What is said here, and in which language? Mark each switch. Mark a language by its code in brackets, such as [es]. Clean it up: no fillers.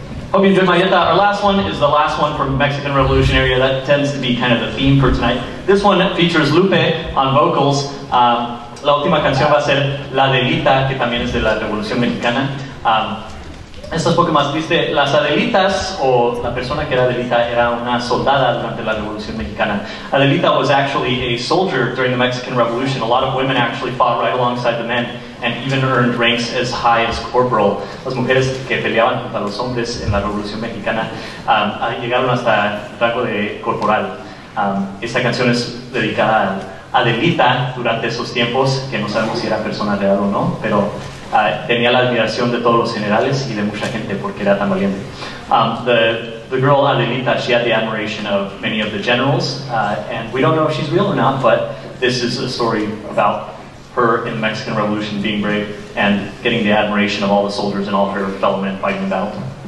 [en] Our last one is the last one from Mexican Revolution area. That tends to be kind of the theme for tonight. This one features Lupe on vocals. [es] La última canción va a ser La Adelita, que también es de la Revolución Mexicana. Esta es un poco más triste. Las Adelitas, o la persona que era Adelita, era una soldada durante la Revolución Mexicana. [en] Adelita was actually a soldier during the Mexican Revolution. A lot of women actually fought right alongside the men, and even earned ranks as high as corporal. [es] Las mujeres que peleaban contra los hombres en la Revolución Mexicana llegaron hasta el rango de corporal. Esta canción es dedicada a Adelita durante esos tiempos, que no sabemos si era persona real o no, pero tenía la admiración de todos los generales y de mucha gente porque era tan valiente. [en] The girl Adelita, she had the admiration of many of the generals, and we don't know if she's real or not, but this is a story about her in the Mexican Revolution being brave and getting the admiration of all the soldiers and all her fellow men fighting the battle.